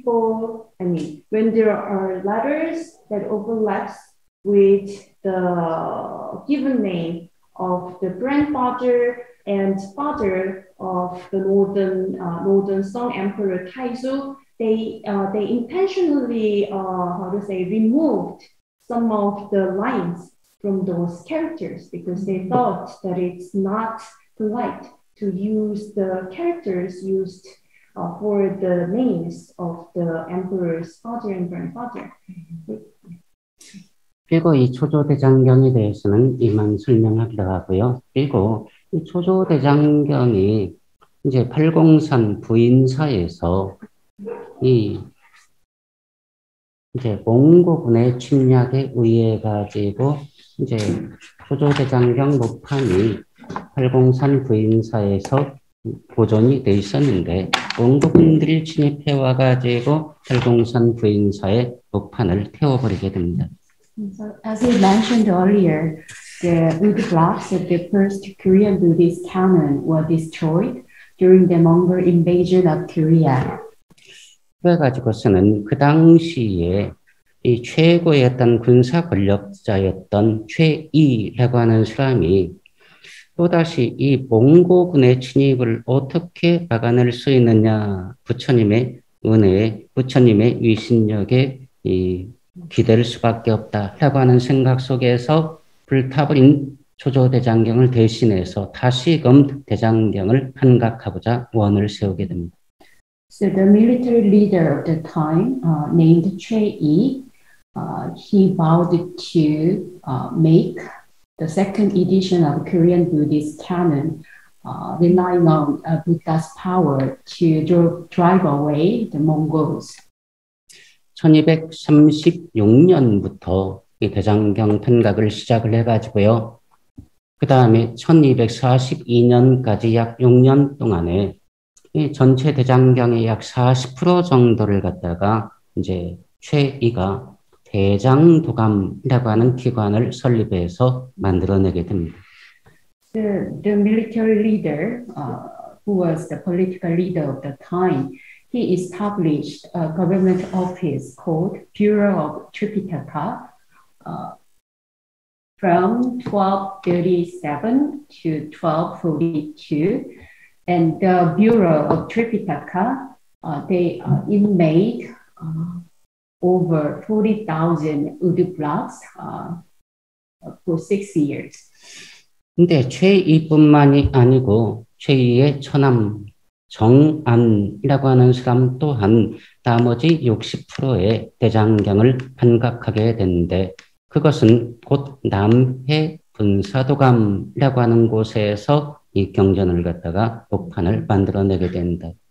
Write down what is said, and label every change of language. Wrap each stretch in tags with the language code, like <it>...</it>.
<en>When there are letters that overlaps with the given name of the grandfather and father of the northern Song Emperor Taizu, they intentionally removed some of the lines from those characters because they thought that it's not polite to use the characters used for the names of the emperor's father and grandfather.</en> <ko>그리고 이 초조대장경에 대해서는 이만 설명하기도 하고요. 그리고 이 초조대장경이 이제 팔공산 부인사에서 이 이제 몽고군의 침략에 의해 가지고 이제 초조대장경 목판이 팔공산 부인사에서 보존이 돼 있었는데 몽고군들이 침입해 와 가지고 팔공산 부인사에 목판을 태워버리게 됩니다.</ko> <en>So, as we mentioned earlier, the wood blocks of the first Korean Buddhist canon were destroyed during the Mongol invasion of Korea.</en> <ko>그래가지고서는 그 당시에 이 최고였던 군사 권력자였던 최이라고 하는 사람이 또다시 이 몽고군의 진입을 어떻게 막아낼 수 있느냐, 부처님의 은혜에, 부처님의 위신력에 이 기댈 수밖에 없다라고 하는 생각 속에서 불타버린 조조대장경을 대신해서 다시금 대장경을 판각하고자 원을 세우게 됩니다.</ko> <en>So the military leader of the time, named Choi, he vowed to make the second edition of Korean Buddhist canon, relying on Buddha's power to drive away the Mongols.</en> <ko>1236년부터 이 대장경 판각을 시작을 해가지고요. 그 다음에 1242년까지 약 6년 동안에 이 전체 대장경의 약 40% 정도를 갖다가 이제 최이가 대장도감이라고 하는 기관을 설립해서 만들어내게 됩니다.</ko> <en>The military leader, who was the political leader of the time, he established a government office called Bureau of Tripitaka from 1237 to 1242, and the Bureau of Tripitaka it made over 40,000 wood blocks for 6 years.</en> <ko>근데 최이뿐만이 아니고 최이의 처남 정안이라고 하는 사람 또한 나머지 60%의 대장경을 판각하게 됐는데 그것은 곧 남해 군사도감이라고 하는 곳에서 이 경전을 갖다가 목판을 만들어내게 된다.</ko>